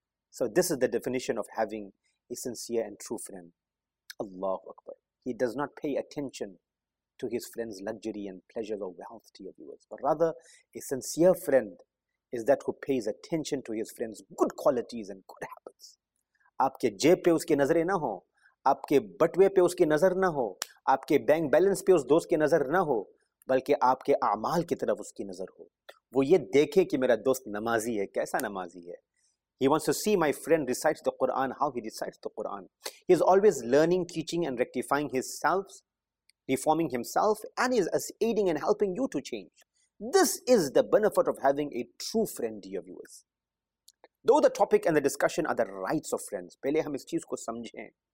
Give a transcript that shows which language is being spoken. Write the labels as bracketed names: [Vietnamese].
[English] So this is the definition of having a sincere and true friend. Allahu Akbar. He does not pay attention to his friend's luxury and pleasures or wealth, to your viewers. But rather, a sincere friend is that who pays attention to his friend's good qualities and good habits. [Hindi] आपके जेब पे उसकी नजरें ना हो, आपके बटवे पे उसकी नजर ना हो, आपके बैंक बैलेंस पे उस दोस्त की नजर ना हो, बल्कि आपके आमाल की तरफ उसकी नजर हो. वो ये देखे कि मेरा दोस्त नमाजी है, कैसा नमाजी है. [English] He wants to see my friend recites the Quran, how he recites the Quran. He is always learning, teaching and rectifying himself, reforming himself, and is aiding and helping you to change. This is the benefit of having a true friend, dear viewers. Though the topic and the discussion are the rights of friends, pehle hum is cheez ko samjhein.